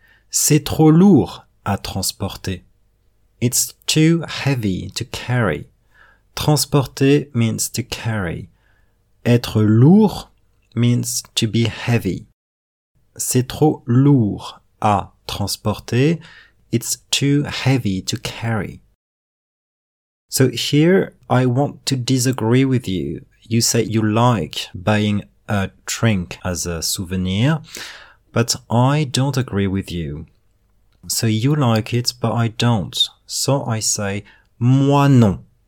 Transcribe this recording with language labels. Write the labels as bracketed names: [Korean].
[French] C'est trop lourd à transporter. [English] It's too heavy to carry. Transporter means to carry. Être lourd means to be heavy. [French] C'est trop lourd à transporter. [English] It's too heavy to carry. So here, I want to disagree with you. You say you like buying a drink as a souvenir, but I don't agree with you. So you like it, but I don't. So I say, [French] moi non.